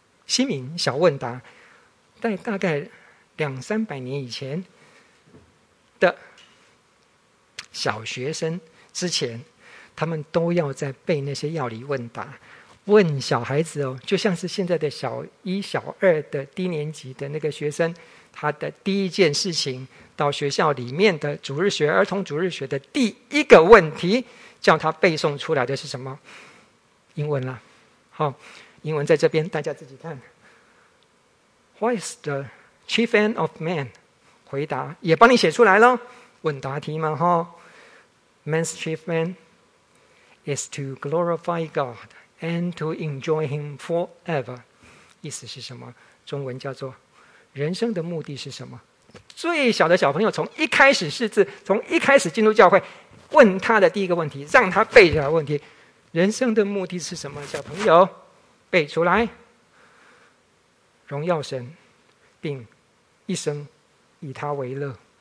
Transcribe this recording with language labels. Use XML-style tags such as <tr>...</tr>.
<zh>西敏小问答，在大概两三百年以前的小学生之前，他们都要在背那些药理问答，问小孩子哦，就像是现在的小一小二的低年级的那个学生，他的第一件事情到学校里面的主日学，儿童主日学的第一个问题叫他背诵出来的是什么？英文啦，好，英文在这边大家自己看。</zh> <en>What is the chief end of man?</en> <zh>回答也帮你写出来了，问答题嘛，哈。</zh> <en>Man's chief end is to glorify God and to enjoy him forever.</en> <zh>意思是什么？中文叫做人生的目的是什么？最小的小朋友从一开始识字，从一开始进入教会，问他的第一个问题，让他背下来问题，人生的目的是什么？小朋友背出来，荣耀神并一生以他为乐。</zh>